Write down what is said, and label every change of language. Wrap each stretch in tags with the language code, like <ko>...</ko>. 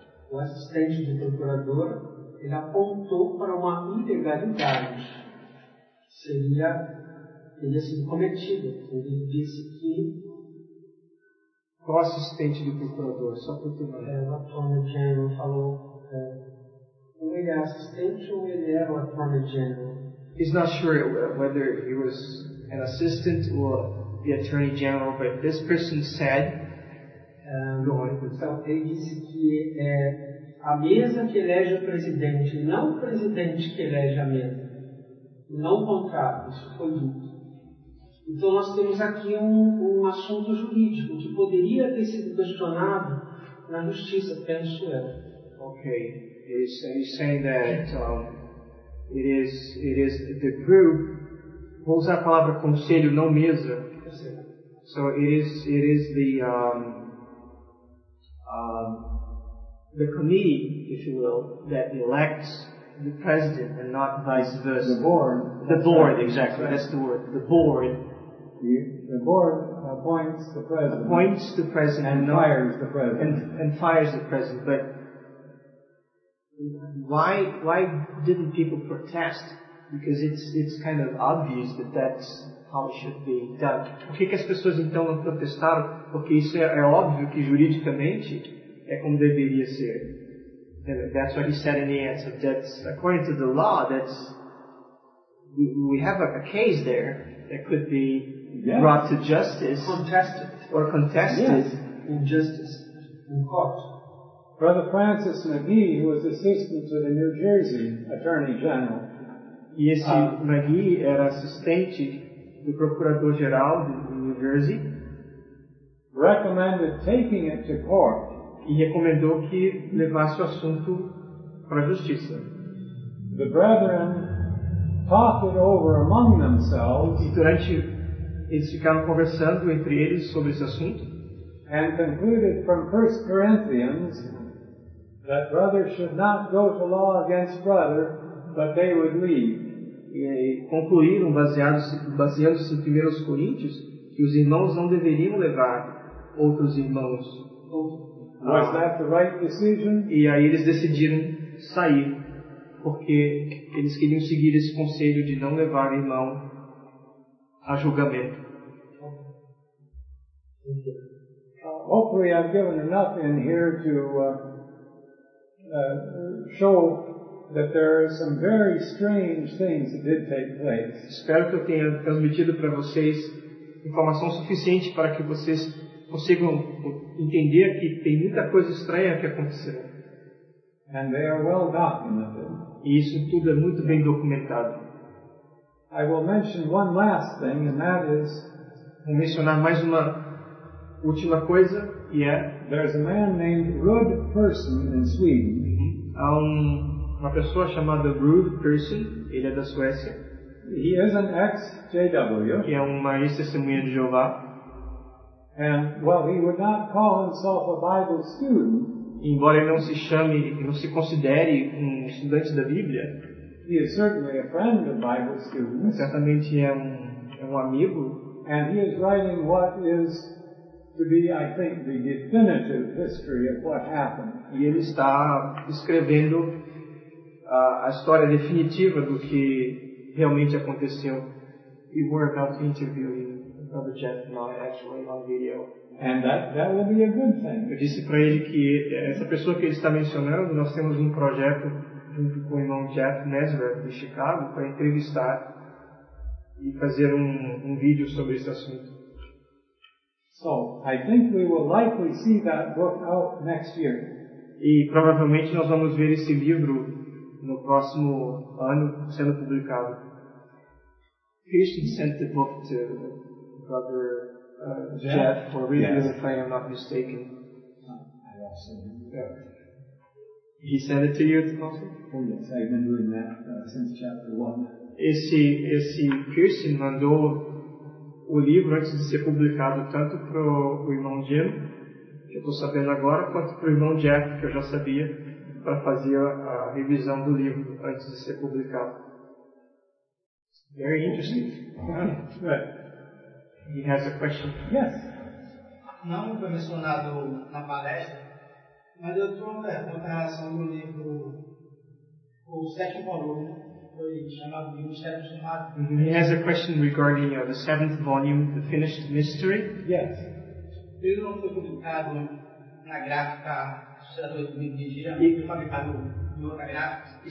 <pt>O assistente do procurador, ele apontou para uma ilegalidade teria sido cometida. Ele disse que... Qual assistente do procurador? Só para ter uma ideia. O Attorney General falou... Ou ele é assistente ou ele era o Attorney General?</pt> <en>He's not sure whether he was an assistant or the Attorney General, but this person said...</en> <pt>Então, ele disse que é a mesa que elege o presidente, não o presidente que elege a mesa. Não o contrário, isso foi dito. Então, nós temos aqui um assunto jurídico que poderia ter sido questionado na justiça, penso eu.</pt> <en>Ok. He's saying that it is the group,</en> <pt>vou usar a palavra conselho, não mesa.</pt> <en>So, it is the... the committee, if you will, that elects the president and not vice versa. The board. The board, exactly. Right. That's the word. The board. The board appoints the president. Appoints the president. And fires the president. And fires the president. But why didn't people protest? Because it's kind of obvious that that's how it should be done.</en> <pt>Por que as pessoas então não protestaram? Porque isso é óbvio que juridicamente é como deveria ser.</pt> <en>And that's what he said in the answer. That's according to the law, that's we have a case there that could be brought to justice. Contested. Yes. In justice. In court. Brother Francis McGee, who was assistant to the New Jersey Attorney General.</en> <pt>E esse McGee era assistente do Procurador-Geral de New Jersey.</pt> <en>Recommended taking it to court.</en> <pt>E recomendou que levasse o assunto para a justiça.</pt> <en>The brethren talked it over among themselves.</en> <pt>E durante, eles ficaram conversando entre eles sobre esse assunto.</pt> <en>And concluded from 1 Corinthians that brother should not go to law against brother, but they would leave.</en> <pt>E concluíram, baseando-se em 1 Coríntios, que os irmãos não deveriam levar outros irmãos.</pt> <en>Was that the right decision?</en> <pt>E aí eles decidiram sair, porque eles queriam seguir esse conselho de não levar irmão a julgamento.</pt> <en>Hopefully I've given enough in here to show that there are some very strange things that did take place.</en> <pt>Espero que eu tenha transmitido para vocês informação suficiente para que vocês consigam entender que tem muita coisa estranha que aconteceu.</pt> <en>And they are well documented.</en> <pt>E isso tudo é muito bem documentado.</pt> <en>I will mention one last thing, and that is,</en> <pt>vou mencionar mais uma última coisa, e é,</pt> <en>there's a man named Rud Persson in Sweden.</en> <pt>Há uma pessoa chamada Rud Persson, ele é da Suécia.</pt> <en>He is an ex-JW.</en> <pt>Que é uma ex-testemunha de Jeová.</pt> <en>And, well, he would not call himself a Bible student.</en> <pt>Embora ele não se chame, não se considere um estudante da Bíblia,</pt> <en>he is certainly a friend of Bible students.</en> <pt>Certamente é um amigo.</pt> <en>And he is writing what is to be, I think, the definitive history of what happened. E ele está escrevendo a história definitiva do que realmente aconteceu. We were about to interview Brother Jeff Nye, actually, on video. And that will be a good thing.</en> <pt>Eu disse para ele que essa pessoa que ele está mencionando, nós temos um projeto junto com o irmão Jeff Nesbitt de Chicago para entrevistar e fazer um vídeo sobre esse assunto.</pt> <en>So, I think we will likely see that book out next year.</en> <pt>E provavelmente nós vamos ver esse livro no próximo ano sendo publicado.</pt> <en>Christian sent the book to Brother Jeff for reading, yes, if I am not mistaken. I also did. He sent it to you, also? Oh yes, I've been doing that since chapter 1.</en> <pt>Esse Christian mandou o livro antes de ser publicado tanto para o irmão Jim, que eu estou sabendo agora, quanto para o irmão Jeff, que eu já sabia, para fazer a revisão do livro antes de ser publicado.</pt> <en>Very interesting. He has a question. Yes.</en> <pt>Não foi mencionado na palestra, mas eu tenho uma pergunta em relação ao livro, o sétimo volume, foi chamado de Mistério Chamado.</pt> <en>He has a question regarding the seventh volume, The Finished Mystery. Yes.</en> <pt>Ele não foi publicado na gráfica do Midigia, foi publicado em outra gráfica.</pt>